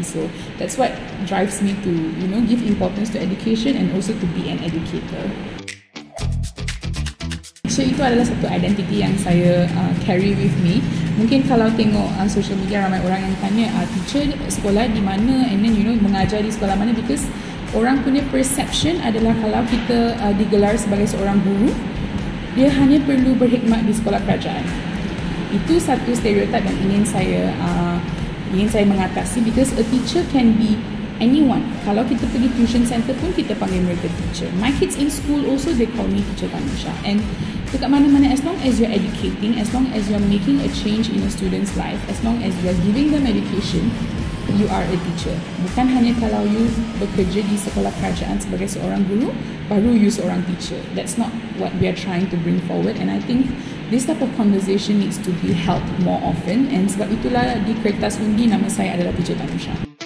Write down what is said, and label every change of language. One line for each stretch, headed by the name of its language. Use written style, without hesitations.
English: So that's what drives me to, you know, give importance to education and also to be an educator.
Malay: So itu adalah satu identity yang saya
English: carry with me.
Malay: Mungkin kalau tengok social media, ramai orang yang tanya teacher sekolah di mana,
English: and then, you know,
Malay: mengajar di sekolah mana. Because orang punya perception adalah kalau kita digelar sebagai seorang guru, dia hanya perlu berkhidmat di sekolah kerajaan. Itu satu stereotip yang ingin saya mengatasi,
English: because a teacher can be anyone.
Malay: Kalau kita pergi tuition center pun kita panggil mereka teacher.
English: My kids in school also they call me Teacher Tanusha. And
Malay: dekat mana-mana,
English: as long as you're educating, as long as you're making a change in a student's life, as long as you're giving them education, you are a teacher.
Malay: Bukan hanya kalau you bekerja di sekolah kerajaan sebagai seorang guru, baru you seorang teacher.
English: That's not what we are trying to bring forward. And I think this type of conversation needs to be held more often.
Malay: And sebab itulah di kertas undi nama saya adalah Teacher Tanusha.